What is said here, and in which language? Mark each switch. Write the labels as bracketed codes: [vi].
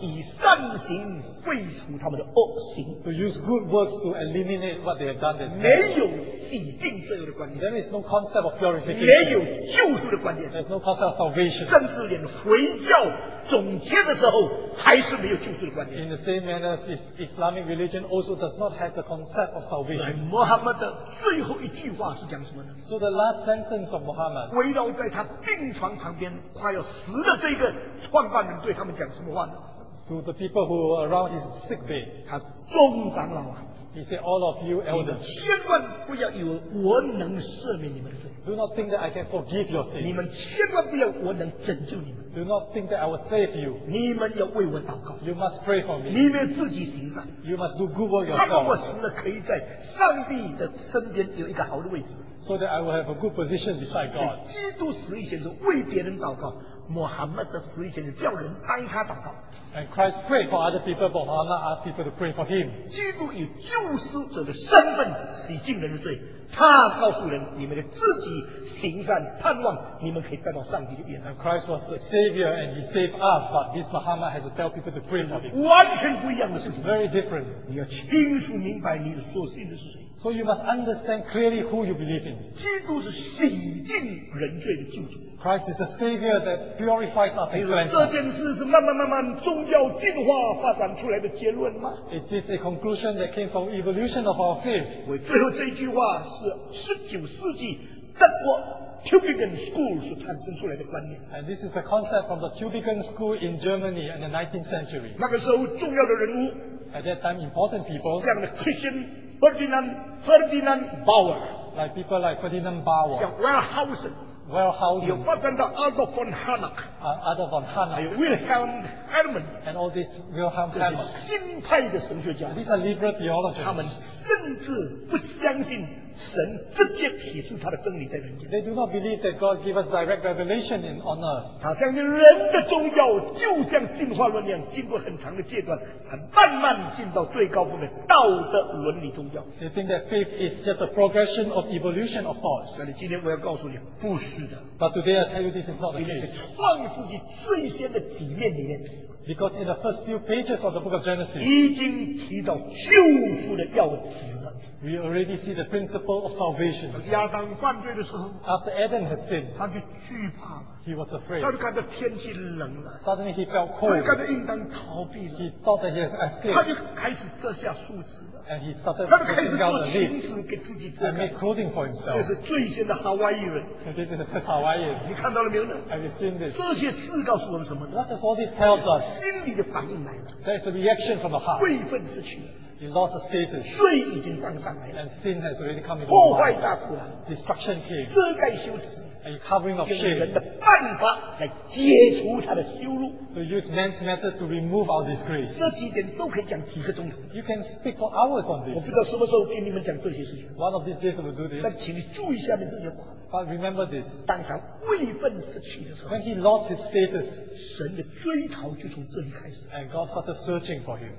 [zh] 以善行废除他们的恶行。 [en] To use good works to eliminate what they have done. This [zh] 没有洗净罪恶的观念。 [en] There is no concept of purification. [zh] 没有救赎的观念。 [en] There's no concept of salvation. [zh] 甚至连回教总结的时候还是没有救赎的观念。 [en] In the same manner, Islamic religion also does not have the concept of salvation. [zh] 穆罕默德最后一句话是讲什么呢 [en] ？So the last sentence of Muhammad. [zh] 围绕在他病床旁边快要死的这个创办人对他们讲什么话呢 [en] ？To the people who were around his sick bed. [zh] 他终长老啊。 [en] He said, "All of you elders, [zh] 千万不要以为我能赦免你们的罪。 [en] Do not think that I can forgive your sins. [zh] 你们千万不要我能拯救你们。 [en] Do not think that I will save you. [zh] 你们要为我祷告。 [en] You must pray for me. [zh] 你们自己行善。 [en] You must do good work yourself. [zh] 那么我死了，可以在上帝的身边有一个好的位置。 [en] So that I will have a good position beside God. [zh] 基督死以前是为别人祷告。穆罕默德死以前是叫人帮他祷告。 [en] And Christ prayed for other people, but Allah asked people to pray for him. [zh] 基督以救赎者的身份洗净人的罪，他告诉人你们的自己行善盼望，你们可以带到上帝的面。 [en] And Christ was the Savior and He saved us, but this Muhammad has to tell people to pray for him. [zh] 完全不一样的事情。 [en] It's very different. [zh] 你要清楚明白你所信的是谁。 [en] So you must understand clearly who you believe in. [zh] 基督是洗净人罪的救主。 [en] Christ is a Savior that purifies us and cleanses us. [zh] 这件事是慢慢慢慢宗教进化发展出来的结论吗 [en] ？Is this a conclusion that came from evolution of our faith? [zh] 最后这句话是19世纪德国 Tübingen School 所产生出来的观念。 [en] And this is the concept from the Tübingen School in Germany in the 19th century. [zh] 那个时候重要的人物。 [en] At that time, important people. [zh] 像 Christian Ferdinand Bauer. [en] Like people like Ferdinand Bauer. [zh] 像 Wellhausen. [en] Wellhausen. [zh] 有发展到 Adolf von Harnack. [en] Adolf von Harnack. [zh] 还有 Wilhelm Hermann. [en] And all these Wilhelm Hermann. [zh] 这是新派的神学家。 [en] These are liberal theologians. [zh] 他们甚至不相信。神直接启示他的真理在人间。 [en] They do not believe that God gave us direct revelation in on earth. [zh] 好像人的宗教就像进化论一样，经过很长的阶段，才慢慢进到最高峰的道德伦理宗教。 [en] They think that faith is just a progression of evolution of thoughts. [zh] 但是今天我要告诉你，不是的。 [en] But today I tell you this is not the case. [zh] 创世纪最先的几面里面。 [en] Because in the first few pages of the book of Genesis, [zh] 已经提到救赎的要旨。 [en] We already see the principle of salvation. [zh] 亚当犯罪的时候， [en] After Adam has sinned, [zh] 他就惧怕了。 [en] He was afraid. [zh] 他就感到天气冷了。 [en] Suddenly he felt cold. [zh] 他感到应当逃避了。 [en] He thought that he has escaped. [zh] 他就开始折下树枝。 [en] And he started putting down the leaves. And made clothing for himself. [zh] 这是最先的 Hawaii 人。 [en] And this is the first Hawaiian. [zh] 你看到了没有呢？ [en] Have you seen this? [zh] 这些事告诉我们什么呢？ [en] What does all this tell us? [zh] 心里的反应来了。 [en] There is a reaction from the heart. [zh] 位分失去了。 [en] He lost the status. [zh] 罪已经搬上来了。 [en] And sin has already come into the world. [zh] 破坏大自然。 [en] Destruction came. [zh] 遮盖羞耻。 [en] And covering of shame. [zh] 用人的办法来解除他的羞辱。 [en] We use man's method to remove our disgrace. [zh] 这几点都可以讲几个钟头。 [en] You can speak for hours on this. [zh] 我不知道什么时候跟你们讲这些事情。 [en] One of these days we'll do this. [zh] 但请你注意下面这些话。 [en] But remember this. [zh] 当他位分失去的时候。 [en] When he lost his status. [zh] 神的追讨就从这里开始。 [en] And God started searching for him.